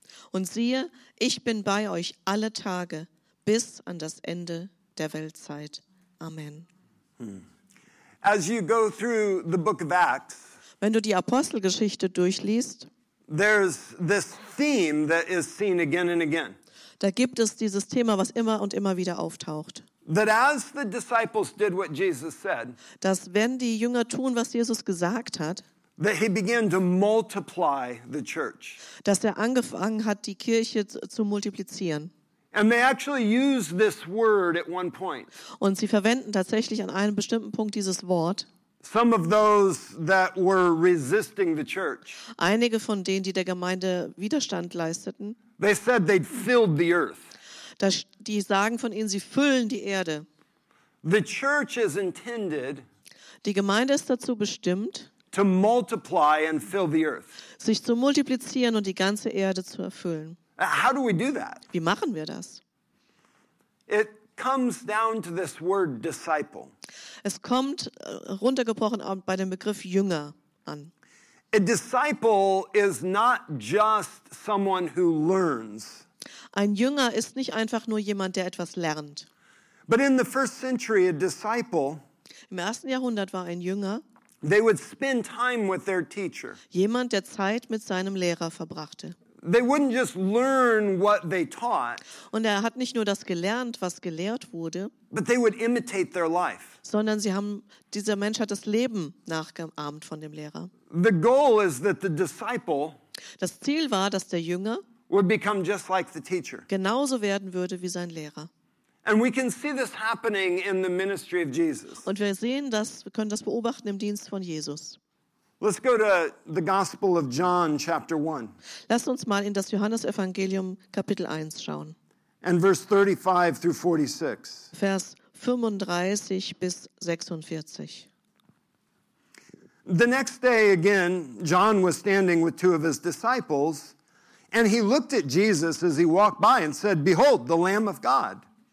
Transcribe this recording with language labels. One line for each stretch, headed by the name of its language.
German: Und siehe, ich bin bei euch alle Tage bis an das Ende der Weltzeit. Amen.
English: As you go through the book of Acts,
German: wenn du die Apostelgeschichte durchliest,
English: there's this theme that is seen again and again.
German: Da gibt es dieses Thema, was immer und immer wieder auftaucht.
English: That as the disciples did what Jesus said,
German: dass wenn die Jünger tun, was Jesus gesagt hat,
English: that he began to multiply the church.
German: Dass er angefangen hat, die Kirche zu multiplizieren.
English: And they actually use this word at one point.
German: Und sie verwenden tatsächlich an einem bestimmten Punkt dieses Wort.
English: Some of those that were resisting the church.
German: Einige von denen, die der Gemeinde Widerstand leisteten.
English: They said they'd filled the earth.
German: Die sagen von ihnen, sie füllen die Erde.
English: The church is intended.
German: Die Gemeinde ist dazu bestimmt.
English: To multiply and fill the earth.
German: Sich zu multiplizieren und die ganze Erde zu erfüllen.
English: How do we do that?
German: Wie machen wir das?
English: It comes down to this word disciple.
German: Es kommt runtergebrochen bei dem Begriff Jünger an.
English: A disciple is not just someone who learns.
German: Ein Jünger ist nicht einfach nur jemand, der etwas lernt.
English: But in the first century, a disciple.
German: Im ersten Jahrhundert war ein Jünger.
English: They would spend time with their teacher.
German: Jemand, der Zeit mit seinem Lehrer verbrachte.
English: They wouldn't just learn what they taught.
German: Und er hat nicht nur das gelernt, was gelehrt wurde.
English: But they would imitate their life.
German: Sondern sie haben, dieser Mensch hat das Leben nachgeahmt von dem Lehrer.
English: The goal is that the disciple.
German: Das Ziel war, dass der Jünger
English: would become just like the teacher.
German: Genauso werden würde wie sein Lehrer.
English: And we can see this happening in the ministry of Jesus.
German: Und wir sehen das, wir können das beobachten im Dienst von Jesus.
English: Let's go to the Gospel of John, chapter 1.
German: Lasst uns mal in das Johannesevangelium, Kapitel 1 schauen.
English: And verse 35 through 46.
German: Vers 35 bis 46.
English: The next day again, John was standing with two of his disciples, and he looked at Jesus as he walked by and said, Behold, the Lamb of God.